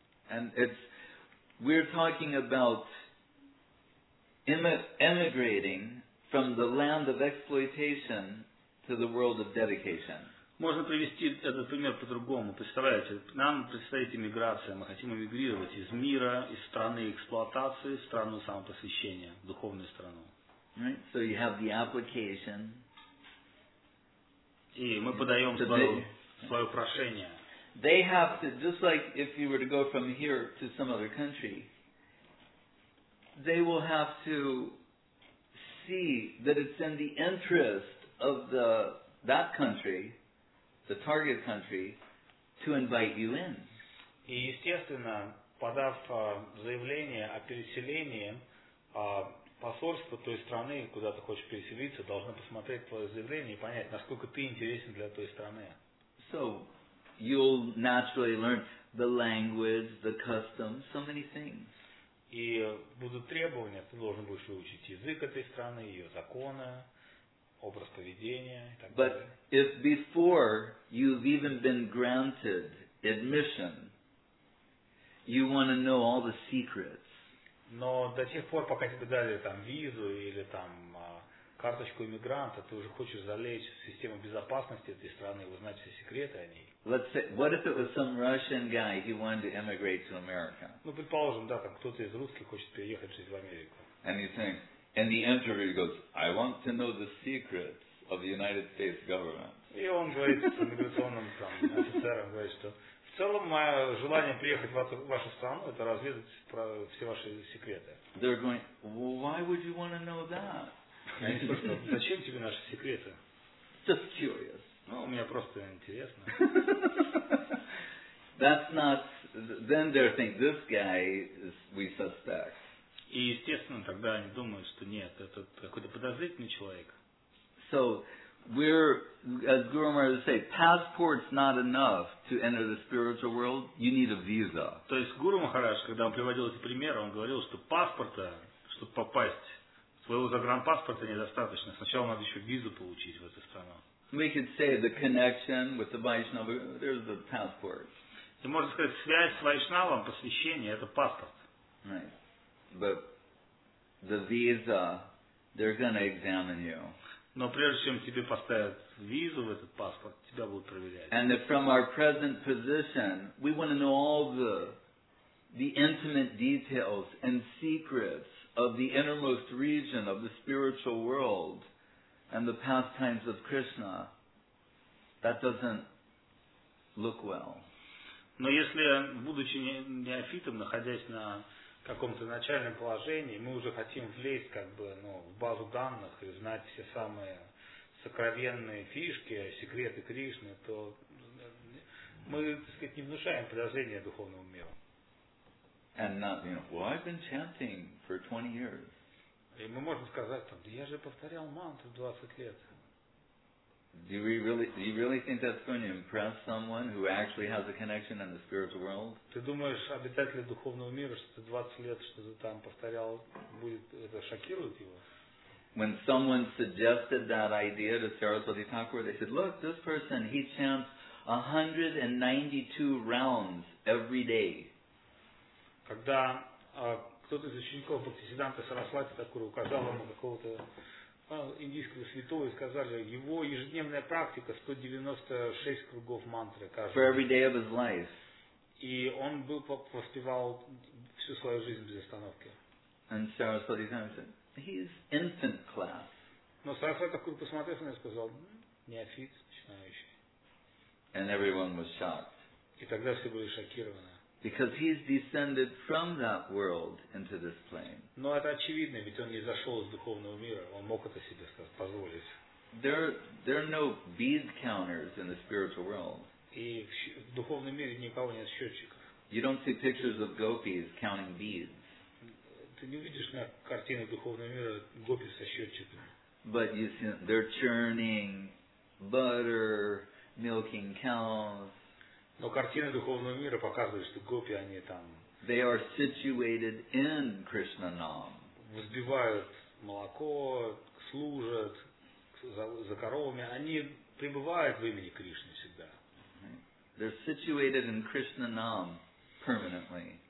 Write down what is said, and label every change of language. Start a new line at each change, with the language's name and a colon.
English: And it's we're talking about emigrating from the land of exploitation to the world of dedication.
Russian: Можно привести этот пример по-другому. Представляете, нам предстоит эмиграция, мы хотим эмигрировать из мира, из страны эксплуатации, в страну самопосвящения, в духовную страну.
English: Right. So you have the application.
Russian: И мы подаем свое прошение.
English: They have to, just like if you were to go from here to some other country, they will have to see that it's in the interest of that country, the target country, to invite you in.
Russian: И естественно, подав заявление о переселении, посольство той страны, куда ты хочешь переселиться, должно посмотреть твое заявление и понять, насколько ты интересен для той страны.
English: So, you'll naturally learn the language, the customs, so many things.
Russian: И будут требования, ты должен будешь выучить язык этой страны, ее законы, образ поведения и так далее.
English: But if before you've even been granted admission, you want to know all the secrets.
Russian: Но до тех пор, пока тебе дали там визу или там карточку иммигранта, ты уже хочешь залезть в систему безопасности этой страны и узнать все секреты о ней.
English: Let's say, what if it was some Russian guy who wanted to emigrate to America?
Russian: Ну, предположим, да, там кто-то из русских хочет переехать жить в Америку.
English: And you think, and the interviewer goes, I want to know the secrets of the United States government.
Russian: И он говорит с иммиграционным там офицером, говорит, что в целом мое желание приехать в вашу страну, это разведать все ваши секреты.
English: They're going, well, why would you want to know that?
Russian: Зачем тебе наши секреты?
English: Just curious.
Russian: Ну, у меня просто интересно.
English: That's not. Then they think this guy is we suspect.
Russian: И естественно, тогда они думают, что нет, это какой-то подозрительный человек.
English: So we're, as Guru Maharaj say, passport's not enough to enter the spiritual world. You need a visa.
Russian: То есть Гуру Махарадж, когда он приводил эти примеры, он говорил, что паспорта, чтобы попасть своего загранпаспорта недостаточно. Сначала надо еще визу получить в эту страну.
English: We could say the connection with the Vaishnava, there's the passport.
Russian: И можно сказать, связь с вайшнавом, посвящение, это паспорт.
English: But the visa, they're gonna examine you.
Russian: Но прежде чем тебе поставят визу в этот паспорт, тебя будут проверять.
English: And from our present position, we want to know all the intimate details and secrets of the innermost region of the spiritual world and the pastimes of Krishna. That doesn't look well.
Russian: Но если, будучи неофитом, находясь на каком-то начальном положении, мы уже хотим влезть как бы, ну, в базу данных и знать все самые сокровенные фишки, секреты Кришны, то мы, так сказать, не внушаем подозрения духовному миру.
English: And not, you know, well, I've been chanting for 20 years.
Russian: И мы можем сказать, там, да я же повторял мантру 20 лет.
English: Do you really think that's going to impress someone who actually has a connection in the spiritual world?
Russian: Ты думаешь, обитатели духовного мира, что ты 20 лет что-то там повторял, будет это шокировать его?
English: When someone suggested that idea to Saraswati Thakur, they said, "Look, this person, he chants 192 rounds every day."
Russian: Когда кто-то из учеников Бхактисиддханты Сарасвати Такур указал ему какого-то индийского святого и сказали, его ежедневная практика 196 кругов мантры каждый день.
English: For every day of his life.
Russian: И он был воспевал всю свою жизнь без остановки.
English: And Saraswati Thakur said, he's infant class.
Russian: Но Сарасвати Такур посмотрел на него и сказал, неофит, начинающий.
English: And everyone was shocked.
Russian: И тогда все были шокированы.
English: Because he's descended from that world into this plane.
Russian: Но это очевидно, ведь он не зашел из духовного мира. Он мог это себе позволить.
English: There are no bead counters in the spiritual world.
Russian: И в духовном мире никого нет счетчиков.
English: You don't see pictures of gopis counting beads.
Russian: Ты не видишь на картинах духовного мира гопи со счетчиками.
English: But you see, they're churning butter, milking cows.
Russian: Но картины духовного мира показывают, что гопи, они там...
English: They are situated in Krishna Nam.
Russian: Взбивают молоко, служат за коровами. Они пребывают в имени Кришны всегда.
English: They're situated in Krishna Nam permanently.